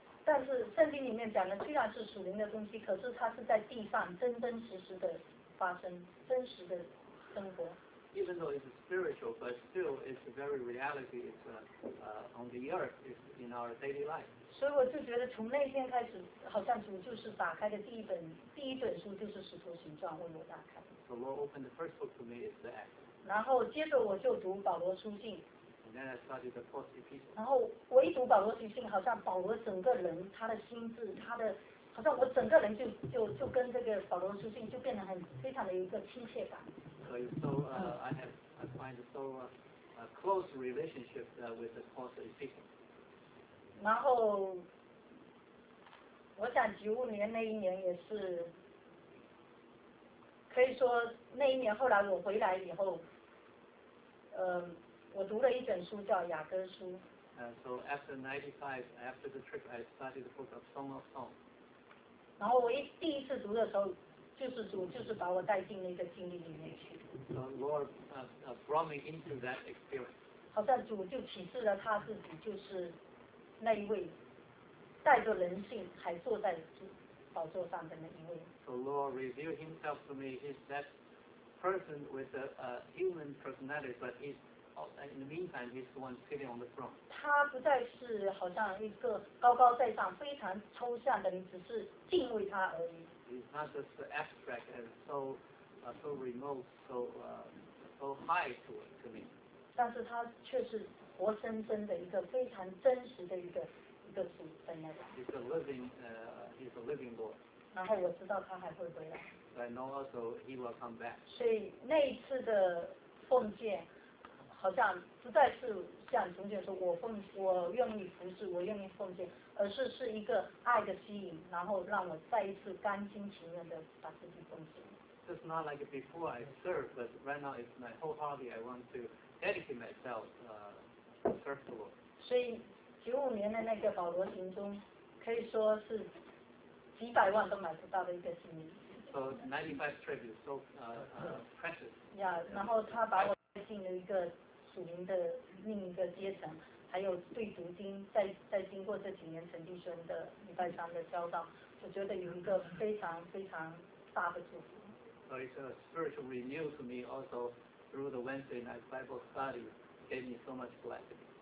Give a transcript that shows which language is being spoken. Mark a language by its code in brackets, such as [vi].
[zh] 但是圣经里面讲的虽然是属灵的东西，可是它是在地上真真实实的发生，真实的生活。 [en] Even though it's spiritual, but still it's the very reality. It's on the earth. It's in our daily life. [zh] 所以我就觉得从那天开始，好像主就是打开的第一本书就是《使徒行传》为我打开。 [en] The Lord opened the first book to me is the Acts. [zh] 然后接着我就读保罗书信。 [en] And then I studied the Paul's epistle. [zh] 然后我一读保罗书信，好像保罗整个人，他的心智，他的，好像我整个人就跟这个保罗书信就变得很非常的有一个亲切感。 [en] So I find a close relationship with the Paul's epistle. [zh] 然后，我想九五年那一年也是，可以说那一年后来我回来以后，我读了一本书叫雅歌书。 [en] So after 95, after the trip, I studied the book of Song of Songs. [zh] 然后我第一次读的时候，就是主就是把我带进那个经历里面去。 [en] So Lord brought me into that experience. [zh] 好像主就启示了他自己，就是那一位带着人性还坐在宝座上的那一位。 [en] The Lord revealed himself to me, he's that person with a human personality, but he's, in the meantime, he's the one sitting on the throne. [zh] 他不再是好像一个高高在上非常抽象的人，只是敬畏他而已。 [en] He's not just abstract and so remote, so high to me. [zh] 但是他却是活生生的一个非常真实的一个主在那里。 [en] He's a living Lord. [zh] 然后我知道他还会回来。 [en] I know also he will come back. [zh] 所以那一次的奉献，好像不再是像从前说我愿意服侍，我愿意奉献，而是一个爱的吸引，然后让我再一次甘心情愿的把自己奉献。 [en] It's not like before I serve, but right now it's my whole hobby. I want to dedicate myself, serve the Lord. [zh] 所以95年的那个保罗行踪，可以说是。几百万都买不到的一个心意。 [en] So 95 trip is so precious. [zh] Yeah, 然后他把我带进了一个属灵的另一个阶层，还有对读经，在经过这几年陈弟兄的礼拜三的教导，我觉得有一个非常非常大的祝福。 [en] So it's a spiritual renewal to me also through the Wednesday night Bible study gave me so much blessing.